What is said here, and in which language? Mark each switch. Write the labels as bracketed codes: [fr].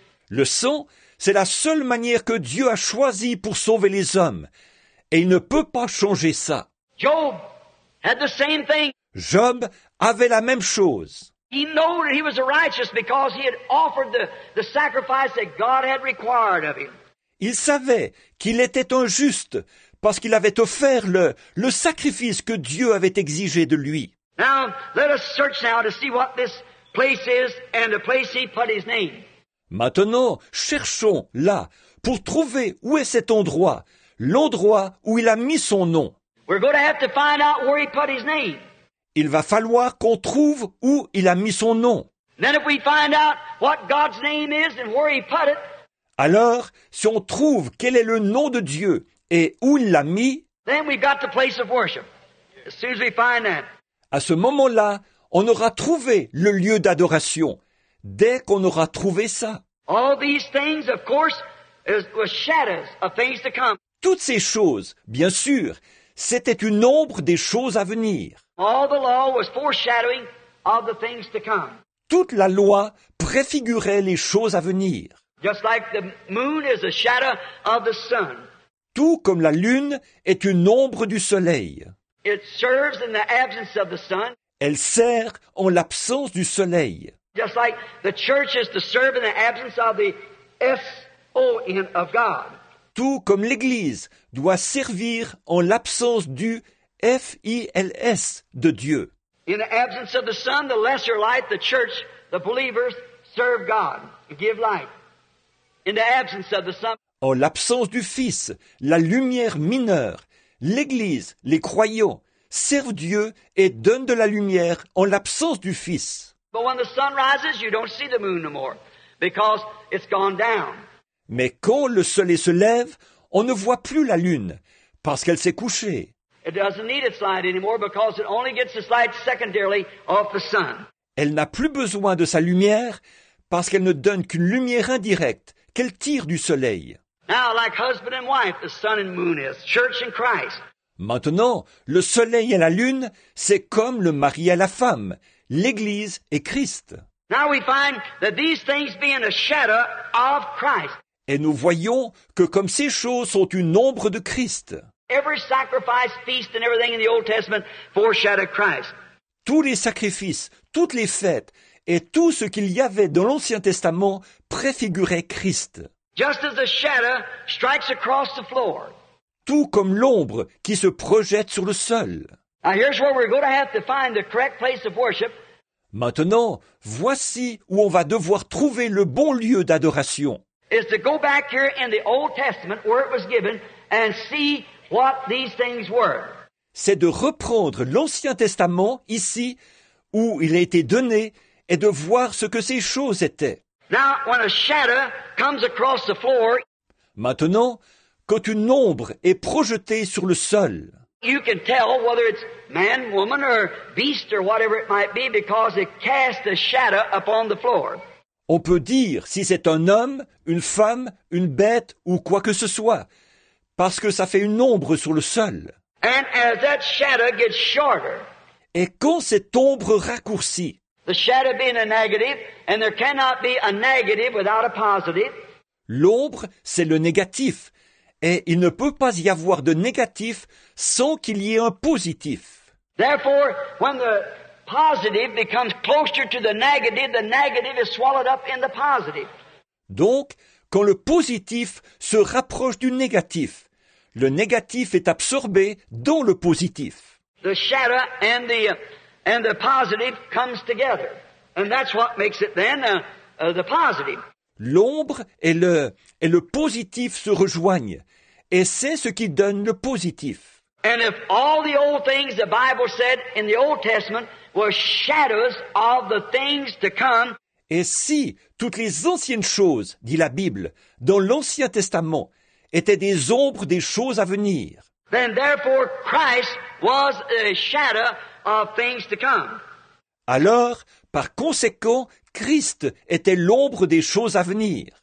[fr] Le sang, c'est la seule manière que Dieu a choisie pour sauver les hommes et il ne peut pas changer ça. [en] Job had the same thing. [fr] Job avait la même chose. [en] He knew that he was righteous because he had offered the sacrifice that God had required of him. [fr] Il savait qu'il était un juste parce qu'il avait offert le sacrifice que Dieu avait exigé de lui. [en] Now, let us search now to see what this place is and the place he put his name. [fr] Maintenant, cherchons là pour trouver où est cet endroit, l'endroit où il a mis son nom. [en] We're going to have to find out where he put his name. [fr] Il va falloir qu'on trouve où il a mis son nom. [en] Then if we find out what God's name is and where he put it. [fr] Alors, si on trouve quel est le nom de Dieu et où il l'a mis. [en] Then we've got the place of worship. As soon as we find that. [fr] À ce moment-là, on aura trouvé le lieu d'adoration. Dès qu'on aura trouvé ça. [en] All these things, of course, were shadows of things to come. [fr] Toutes ces choses, bien sûr, c'était une ombre des choses à venir. [en] All the law was foreshadowing of the things to come. [fr] Toute la loi préfigurait les choses à venir. [en] Just like the moon is a shadow of the sun. [fr] Tout comme la lune est une ombre du soleil. [en] It serves in the absence of the sun. [fr] Elle sert en l'absence du soleil. [en] Just like the church is to serve in the absence of the S-O-N of God. [fr] Tout comme l'Église doit servir en l'absence du F-I-L-S de Dieu. [en] In the absence of the sun, the lesser light, the church, the believers serve God and give light. In the absence of the sun. [fr] En l'absence du Fils, la lumière mineure, l'Église, les croyants, servent Dieu et donnent de la lumière en l'absence du Fils. [en] But when the sun rises, you don't see the moon no more, because it's gone down. [fr] Mais quand le soleil se lève, on ne voit plus la lune, parce qu'elle s'est couchée. [en] It doesn't need its light anymore, because it only gets its light secondarily off the sun. [fr] Elle n'a plus besoin de sa lumière, parce qu'elle ne donne qu'une lumière indirecte, qu'elle tire du soleil. [en] Now, like husband and wife, the sun and moon is church and Christ. [fr] Maintenant, le soleil et la lune, c'est comme le mari et la femme, l'Église et Christ. [en] Now we find that these things being a shadow of Christ. [fr] Et nous voyons que comme ces choses sont une ombre de Christ. [en] Every sacrifice, feast, and everything in the Old Testament foreshadowed Christ. [fr] Tous les sacrifices, toutes les fêtes et tout ce qu'il y avait dans l'Ancien Testament préfigurait Christ. [en] Just as a shadow strikes across the floor. [fr] Tout comme l'ombre qui se projette sur le sol. [en] Now here's where we're going to have to find the correct place of worship. [fr] Maintenant, voici où on va devoir trouver le bon lieu d'adoration. [en] Is to go back here in the Old Testament where it was given and see what these things were. [fr] C'est de reprendre l'Ancien Testament ici où il a été donné et de voir ce que ces choses étaient. [en] Now, when a shadow comes across the floor, [fr] maintenant, quand une ombre est projetée sur le sol, [en] you can tell whether it's man, woman, or beast, or whatever it might be, because it casts a shadow upon the floor. [fr] On peut dire si c'est un homme, une femme, une bête, ou quoi que ce soit, parce que ça fait une ombre sur le sol. [en] And as that shadow gets shorter, [fr] et quand cette ombre raccourcit, [en] the shadow being a negative, and there cannot be a negative without a positive. [fr] L'ombre, c'est le négatif. Et il ne peut pas y avoir de négatif sans qu'il y ait un positif. [en] Therefore, when the positive becomes closer to the negative is swallowed up in the positive. [fr] Donc, quand le positif se rapproche du négatif, le négatif est absorbé dans le positif. [en] The shadow and the positive comes together. And that's what makes it then the positive. [fr] L'ombre et le positif se rejoignent, et c'est ce qui donne le positif. [en] And if all the old things the Bible said in the Old Testament were shadows of the things to come, [fr] et si toutes les anciennes choses, dit la Bible, dans l'Ancien Testament, étaient des ombres des choses à venir, [en] then therefore Christ was a shadow of things to come. [fr] Alors, par conséquent, Christ était l'ombre des choses à venir.